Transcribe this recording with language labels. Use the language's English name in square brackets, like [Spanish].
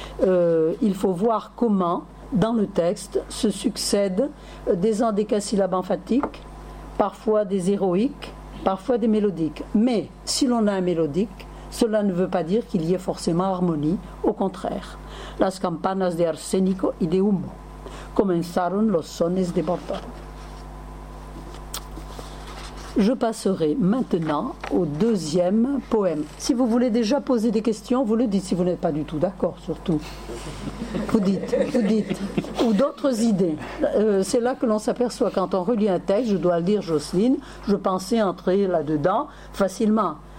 [French] Il faut voir comment, dans le texte, se succèdent des endécasyllabes emphatiques, parfois des héroïques, parfois des mélodiques. Mais si l'on a un mélodique, cela ne veut pas dire qu'il y ait forcément harmonie, au contraire. [Spanish] Las campanas de Arsénico y de humo comenzaron los sones de Borto. [French] Je passerai maintenant au deuxième poème. Si vous voulez déjà poser des questions, vous le dites. Si vous n'êtes pas du tout d'accord, surtout, vous dites. Ou d'autres idées. C'est là que l'on s'aperçoit quand on relit un texte, je dois le dire, Jocelyne, je pensais entrer là-dedans facilement.